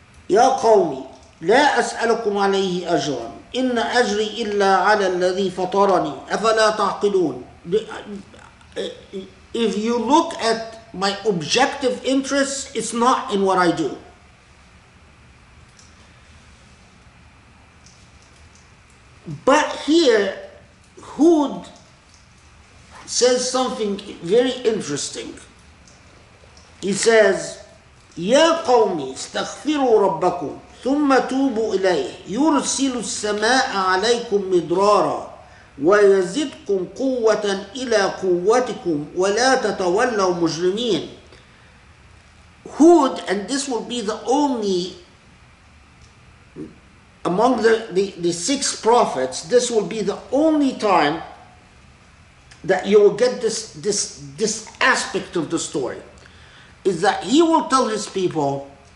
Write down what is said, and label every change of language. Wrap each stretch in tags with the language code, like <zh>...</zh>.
<ar>يا قومي لا أسألكم عليه أجرا إن أجري إلا على الذي فطرني أفلا تعقلون.</ar> <en>If you look at my objective interests, it's not in what I do. But here, Hud says something very interesting. He says,</en> <ar>يا قومي استغفروا ربكم ثم توبوا إليه يرسل السماء عليكم مدرارا ويزدكم قوة إلى قوتكم ولا تتولوا مجرمين.</ar> <en>Hud, and this will be the only among the six prophets, this will be the only time that you will get this aspect of the story, is that he will tell his people,</en>